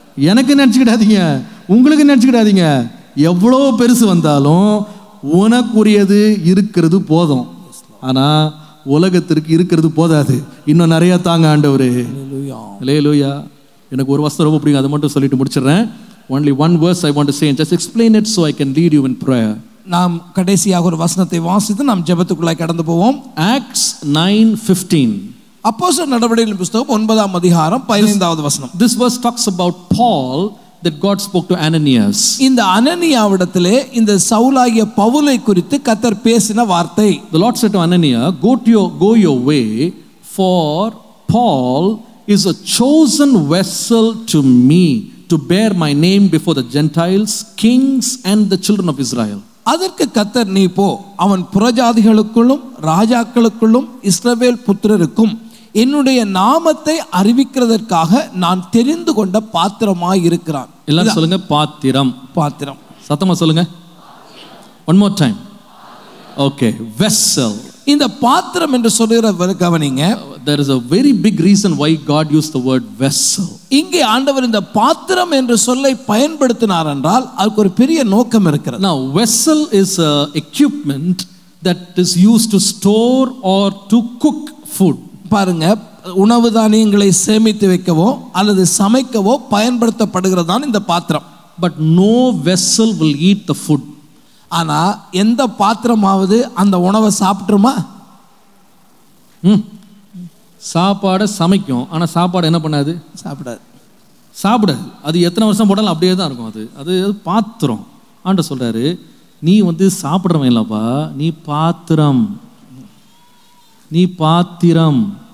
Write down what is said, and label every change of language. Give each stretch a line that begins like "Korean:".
Tamil: எனக்கு நினைச்சுக்கிடாதீங்க, உங்களுக்கு நினைச்சுக்கிடாதீங்க. எவ்வளோ பெருசு வந்தாலும் உனக்குரியது இருக்கிறது போதும், ஆனா உலகத்திற்கு இருக்கிறது போதாது. இன்னும் நிறைய தாங்க ஆண்டவரே. அல்லேலூயா. எனக்கு ஒரு வசனம் ரொம்ப பிடிக்கும், அதை மட்டும் சொல்லிட்டு முடிச்சிடறேன்.
English: Only one verse I want to say and just explain it so I can lead you in prayer.
Tamil: நாம் கடைசியாக ஒரு வசனத்தை வாசித்து நாம் ஜெபத்துக்குள்ளாய் கடந்து போவோம்.
English: Acts 9:15.
Tamil: அப்போஸ்தலர் நடவடிக்கைகளின் புத்தகம் 9:15 வசனம்.
English: This verse talks about Paul that God spoke to Ananias.
Tamil: இந்த அனனியாவிடத்திலே இந்த சவுலாகிய பவுலை குறித்து கர்த்தர் பேசின வார்த்தை.
English: The Lord said to Ananias, go your way for Paul is a chosen vessel to me. To bear my name before the Gentiles, kings and the children of Israel.
Tamil: அதற்கு கர்த்தர், நீ போ, அவன் புறஜாதிகளுக்கும் ராஜாக்களுக்கும் இஸ்ரவேல் புத்திரருக்கும் என்னுடைய நாமத்தை அறிவிக்கிறதற்காக நான் தெரிந்து கொண்ட பாத்திரமாய் இருக்கிறான். எல்லாரும் சொல்லுங்க, பாத்திரம். பாத்திரம். சத்தமா சொல்லுங்க.
English: One more time. Okay, vessel.
Tamil: இந்த பாத்திரம் என்று சொல்கிற கவனிங்க,
English: there is a very big reason why God used the word vessel.
Tamil: இங்கே ஆண்டவர் இந்த பாத்திரம் என்ற சொல்லை பயன்படுத்தினார் என்றால் அதுக்கு ஒரு பெரிய நோக்கம் இருக்கிறது.
English: Now vessel is a equipment that is used to store or to cook food.
Tamil: பாருங்க, உணவு தானியங்களை சேமித்து வைக்கவோ அல்லது சமைக்கவோ பயன்படுத்தப்படுகிறது தான் இந்த பாத்திரம்.
English: But no vessel will eat the food.
Tamil: ஆனா எந்த பாத்திரமாவது அந்த உணவை சாப்பிட்டுருமா? சாப்பாடை சமைக்கும், ஆனால் சாப்பாடு என்ன பண்ணாது? சாப்பிடாது. சாப்பிடாது. அது எத்தனை வருஷம் போட்டாலும் அப்படியே தான் இருக்கும். அது பாத்திரம். ஆண்டவர் சொல்கிறாரு, நீ வந்து சாப்பிட்றவன் இல்லைப்பா, நீ பாத்திரம்.